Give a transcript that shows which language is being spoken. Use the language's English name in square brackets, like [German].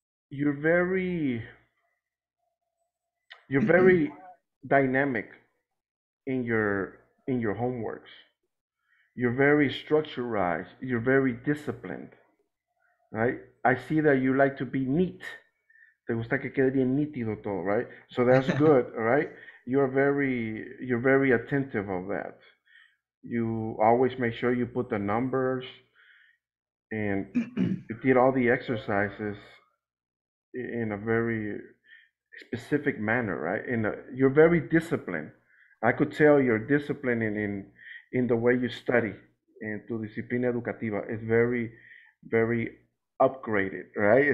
[English] You're very dynamic in your homeworks. You're very structured. You're very disciplined, right? I see that you like to be neat. [Spanish] Te gusta que quede bien nítido todo, [English] right? So that's good, all right? You're very attentive of that. You always make sure you put the numbers, and you did all the exercises in a very specific manner, right? You're very disciplined. I could tell you're disciplined in the way you study, and [Spanish] tu disciplina educativa [English] is very, very upgraded, right?